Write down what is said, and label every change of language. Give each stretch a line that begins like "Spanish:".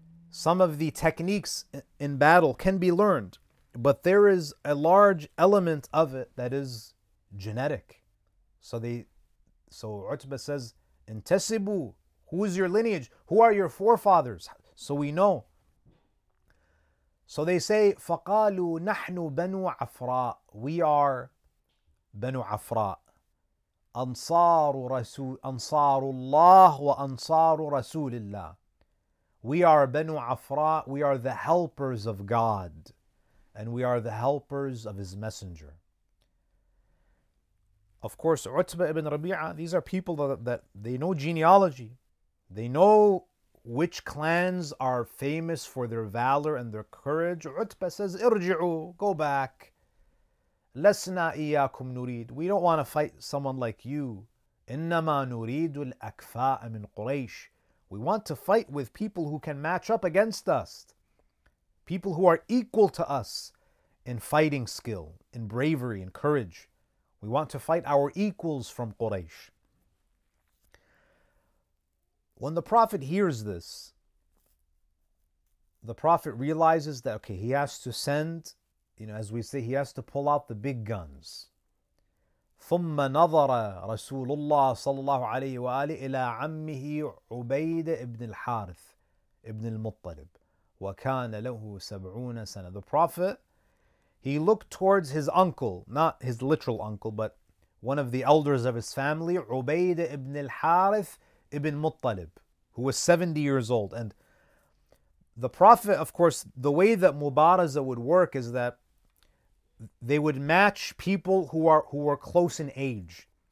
English: Some of the techniques in battle can be learned, but there is a large element of it that is genetic. So Utbah says,
Arabic: "Intesibu."
English: Who is your lineage? Who are your forefathers? So we know. So they say,
Arabic: فَقَالُوا نَحْنُ بَنُوا عَفْرَاءُ
English: We are
Arabic: بَنُوا عَفْرَاءُ أنصار الله وأنصار رسول الله.
English: We are Banu Afra, we are the helpers of God, and we are the helpers of His Messenger. Of course, Utbah ibn Rabi'ah, these are people that they know genealogy. They know which clans are famous for their valor and their courage. Utbah says,
Arabic: Irji'u,
English: go back.
Arabic: Lasna iyyakum nurid.
English: We don't want to fight someone like you.
Arabic: Innama nuridul akfa'a min Quraysh.
English: We want to fight with people who can match up against us, people who are equal to us in fighting skill, in bravery, in courage. We want to fight our equals from Quraysh. When the Prophet hears this, the Prophet realizes that, okay, he has to send, you know, as we say, he has to pull out the big guns.
Arabic: ثم نظر رسول الله صلى الله عليه وآله إلى عمه عبيد ابن الحارث ابن المطلب وكان له 70 سنة.
English: The Prophet, he looked towards his uncle, not his literal uncle, but one of the elders of his family, عبيد ابن الحارث ابن مطلب, who was 70 years old. And the Prophet, of course, the way that Mubaraza would work is that they would match people who were close in age.